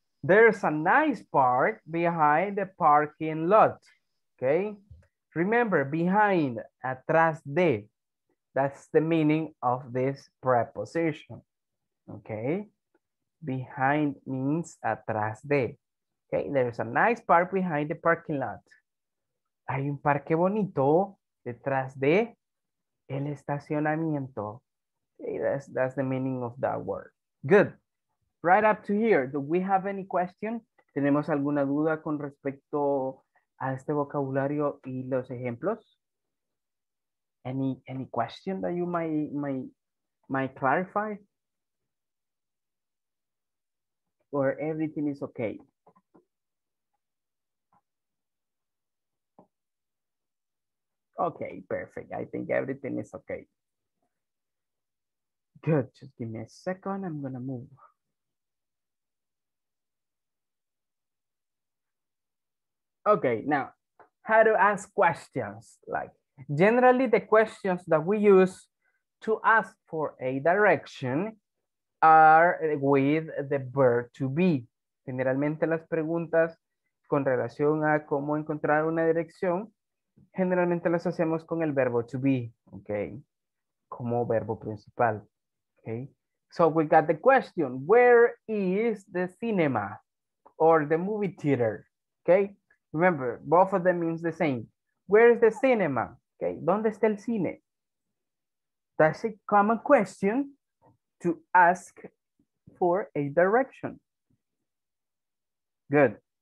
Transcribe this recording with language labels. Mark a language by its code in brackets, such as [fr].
[en] There's a nice park behind the parking lot, okay? Remember, behind, [es] atrás de, [en] that's the meaning of this preposition, okay? Behind means [es] atrás de, [en] okay? There's a nice park behind the parking lot. [es] Hay un parque bonito detrás de el estacionamiento. [en] Okay, that's the meaning of that word. Good. Right up to here, do we have any question? [es] ¿Tenemos alguna duda con respecto a este vocabulario y los ejemplos? [en] Any question that you might clarify? Or everything is okay? Okay, perfect. I think everything is okay. Good, just give me a second, I'm gonna move. Okay, now, how to ask questions. Like, generally the questions that we use to ask for a direction are with the verb to be. [es] Generalmente las preguntas con relación a cómo encontrar una dirección, generalmente las hacemos con el verbo to be, okay? Como verbo principal, okay? [en] So we got the question, where is the cinema or the movie theater, okay? Remember, both of them means the same. Where is the cinema? Okay, [es] ¿dónde está el cine? [en] That's a common question to ask for a direction. Good.